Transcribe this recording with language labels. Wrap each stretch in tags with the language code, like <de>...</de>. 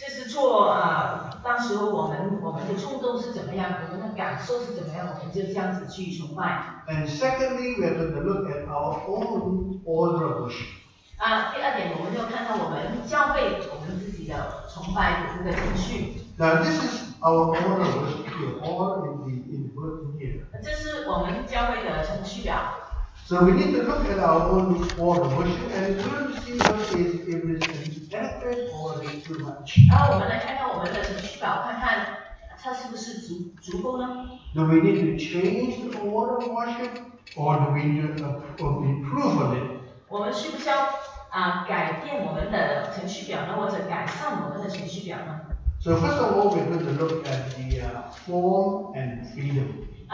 <zh>就是做当时我们的冲动是怎么样，我们的感受是怎么样，我们就这样子去崇拜。</zh> <en>And secondly, we are going to look at our own order of worship.</en> <zh>第二点，我们就看到我们教会我们自己的崇拜的这个程序。</zh> <en>Now this is our order of worship here, all in the word here.</en> <zh>这是我们教会的程序表。</zh> <en>So we need to look at our own order of worship and we need to see whether it is inadequate or is too much.</en> <zh>然后我们来看看我们的程序表，看看它是不是足够呢？</zh> <en>Do we need to change the order of worship or do we need to improve on it?</en> <zh>我们需不需要改变我们的程序表呢，或者改善我们的程序表呢？</zh> <en>So first of all, we're going to look at the form and freedom.</en>